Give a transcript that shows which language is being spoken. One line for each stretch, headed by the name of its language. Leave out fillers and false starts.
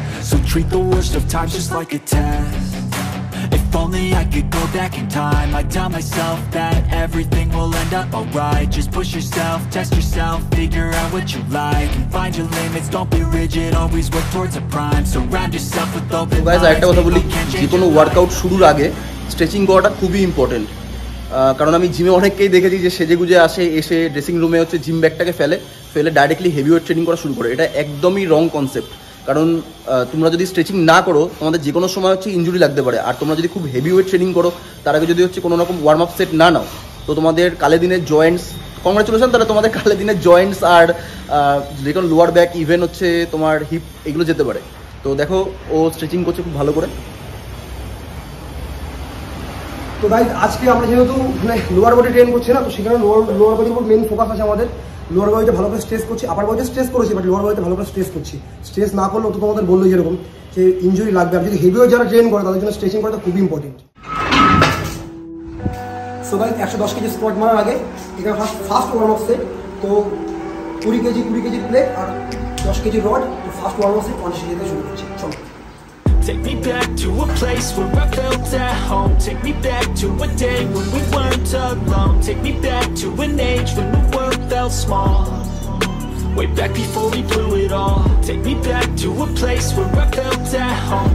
English: So treat the worst of times just like a test. If only I could go back in time, I'd tell myself that everything will end up alright. Just push yourself, test yourself, figure out what you like, and find your limits. Don't be rigid, always work towards a prime. Surround yourself with open minds.
Bangla: Guys,
English: I have to tell you,
Bangla: যে কোনো workout শুরুর আগে stretching করাটা খুবই important, কারণ আমি জিমে অনেককেই দেখেছি যে সেজেগুজে আসে, এসে ড্রেসিং রুমে হচ্ছে জিম ব্যাগটাকে ফেলে ফেলে ডাইরেক্টলি হেভি ওয়েট ট্রেনিং করা শুরু করে। এটা একদমই রং কনসেপ্ট, কারণ তোমরা যদি স্ট্রেচিং না করো তোমাদের যে কোনো সময় হচ্ছে ইঞ্জুরি লাগতে পারে। আর তোমরা যদি খুব হেভি ওয়েট ট্রেনিং করো, তার আগে যদি হচ্ছে কোনো রকম ওয়ার্ম আপ সেট না নাও, তো তোমাদের কালে দিনের জয়েন্টস, কংগ্রেচুলেশন, তাহলে তোমাদের কালে দিনের জয়েন্টস আর যে কোনো লোয়ার ব্যাক, ইভেন হচ্ছে তোমার হিপ, এগুলো যেতে পারে। তো দেখো ও স্ট্রেচিং করছে খুব ভালো করে। তো গাইস আজকে আমরা যেহেতু মানে লোয়ার বডি ট্রেন করছি না, তো সেখানে লোয়ার বডির উপর মেইন ফোকাস আছে আমাদের। লোয়ার বডিতে ভালো করে স্ট্রেস করছি, আপার বডিতে স্ট্রেস করেছি, বাট লোয়ার বডিতে ভালো করে স্ট্রেস করছি। স্ট্রেস না করলে তো তোমাদের বললো যেরকম যে ইঞ্জুরি লাগবে, আর যদি হেভিও যারা ট্রেন করে তাদের জন্য স্ট্রেচিং করাটা খুব important. So guys 110 KG squat মারার আগে এখানে ফার্স্ট ওয়ার্ম আপ সেট, তো 20 কেজি প্লেট আর 10 কেজি রড। তো first warm up set 50 KG দিয়ে শুরু করছি, চলো।
English: Take me back to a place where I felt at home. Take me back to a day when we weren't alone. Take me back to an age when the world felt small. Way back before we blew it all. Take me back to a place where I felt at home.